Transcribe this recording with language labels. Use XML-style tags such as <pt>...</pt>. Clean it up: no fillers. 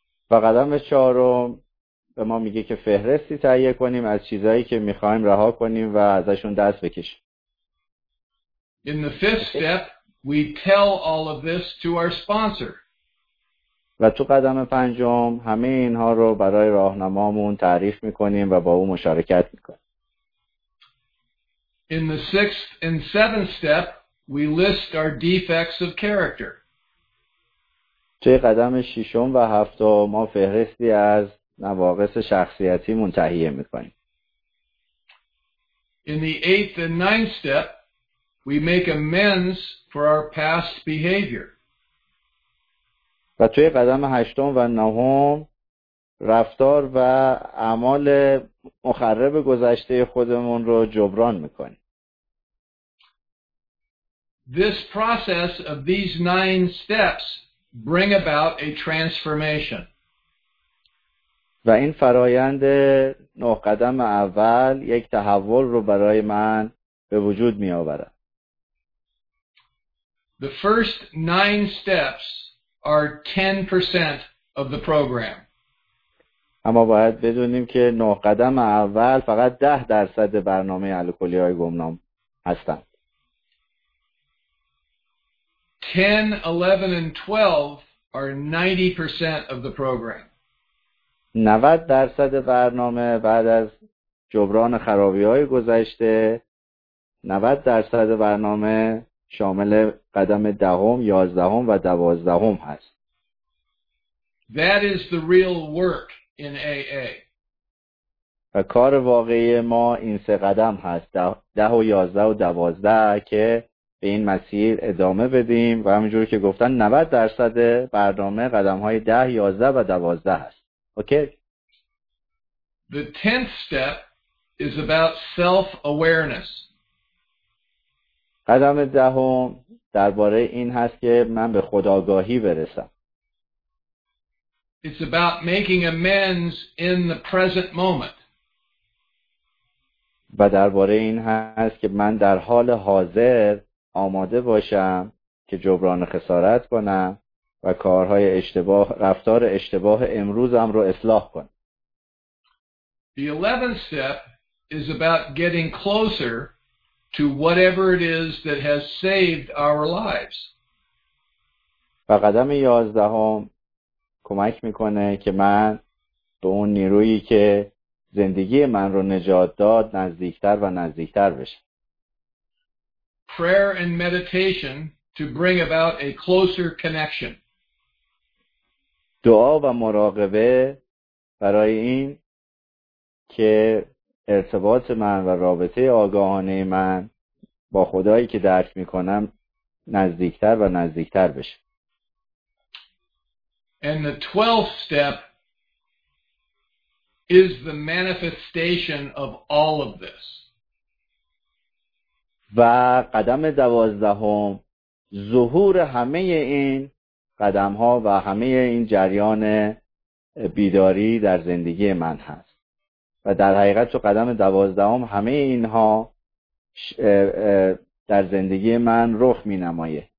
<fa>و قدم چهارم به ما میگه که فهرستی تهیه کنیم از چیزایی که میخوایم رها کنیم و ازشون دست بکشیم.</fa> <en>In the fifth step, we tell all of this to our sponsor.</en> <fa>و تو قدم پنجم همه اینها رو برای راهنمامون تعریف میکنیم و با او مشارکت میکنیم.</fa> <en>In the sixth and seventh step, we list our defects of character.</en> <fa>توی قدم ششم و هفتم ما فهرستی از نواقص شخصیتی منتهیه میکنیم.</fa> <en>In the eighth and ninth step, we make amends for our past behavior.</en> <fa>و توی قدم هشتم و نهم رفتار و اعمال مخرب گذشته خودمون رو جبران میکنیم.</fa> <en>This process of these nine steps bring about a transformation.</en> <fa>و این فرایند نه قدم اول یک تحول رو برای من به وجود می آورد.</fa> <en>The first nine steps are 10% of the program.</en> <fa>اما باید بدونیم که نه قدم اول فقط 10% برنامه الکلی های گمنام هستند.</fa> <en>10, 11, and 12 are 90% of the program.</en> <fa>90% برنامه بعد از جبران خرابی‌های گذشته 90% برنامه شامل قدم 10، 11 و 12 هست.</fa> <en>That is the real work in AA.</en> <fa>و کار واقعی ما این سه قدم هست، 10 و 11 و 12 که به این مسیر ادامه بدیم و همینجور که گفتن 90% برنامه قدم های 10, 11 و 12 هست.</fa> <en>Okay? The tenth step is about self-awareness.</en> <fa>قدم دهم درباره این هست که من به خودآگاهی برسم.</fa> <en>It's about making amends in the present moment.</en> <fa>و درباره این هست که من در حال حاضر آماده باشم که جبران خسارت کنم و کارهای اشتباه رفتار اشتباه امروزم رو اصلاح کنم.</fa> <en>The 11th step is about getting closer to whatever it is that has saved our lives.</en> <fa>و قدم 11ام کمک میکنه که من به اون نیرویی که زندگی من رو نجات داد نزدیکتر و نزدیکتر بشم.</fa> <en>Prayer and meditation to bring about a closer connection.</en> <fa>دعا و مراقبه برای این که ارتباط من و رابطه آگاهانه من با خدایی که درک میکنم نزدیکتر و نزدیکتر بشه.</fa> <en>And the 12th step is the manifestation of all of this.</en> <fa>و قدم 12ام ظهور همه این قدم ها و همه این جریان بیداری در زندگی من هست و در حقیقت تو قدم 12ام همه اینها در زندگی من رخ می نمایه.</fa>